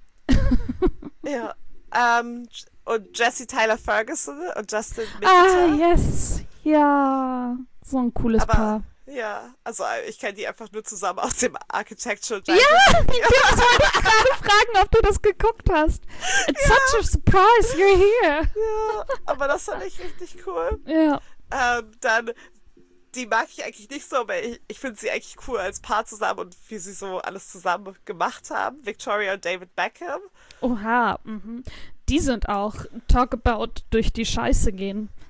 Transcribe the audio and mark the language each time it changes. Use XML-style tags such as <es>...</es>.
<de>Cool. Ja. Und Jesse Tyler Ferguson und Justin Minter.</de> <en>Ah, yes.</en> <de>Ja. So ein cooles Aber, Paar. Ja, also ich kenne die einfach nur zusammen aus dem Architectural Digest. Ja, ich wollte gerade fragen, ob du das geguckt hast.</de> <en>It's such a surprise, you're here.</en> <de>Ja, aber das fand ich richtig cool. Ja. Dann, die mag ich eigentlich nicht so, aber ich finde sie eigentlich cool als Paar zusammen und wie sie so alles zusammen gemacht haben. Victoria und David Beckham. Oha, die sind auch</de> <en>talk about</en> <de>durch die Scheiße gehen.</de>